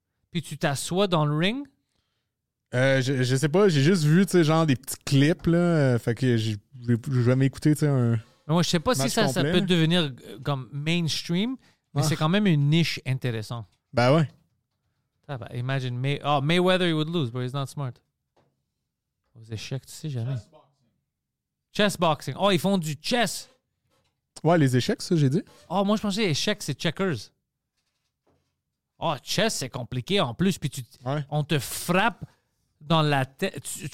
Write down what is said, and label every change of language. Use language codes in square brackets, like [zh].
[fr] Puis tu t'assois dans le ring? Je sais pas, j'ai juste vu, tu sais, genre des petits clips, là. Fait que je vais m'écouter, tu sais, un. Mais moi, je sais pas si ça peut devenir comme mainstream, mais c'est quand même une niche intéressante. Ben ouais. [en] Ah, bah, imagine, Mayweather, he would lose, but he's not smart. [fr] Aux échecs, tu sais jamais. [en] Chess boxing. [fr] Oh, ils font du chess. Ouais, les échecs, ça, j'ai dit. Oh, moi, je pensais échecs, c'est checkers. Oh, chess, c'est compliqué en plus. Puis on te frappe dans la tête.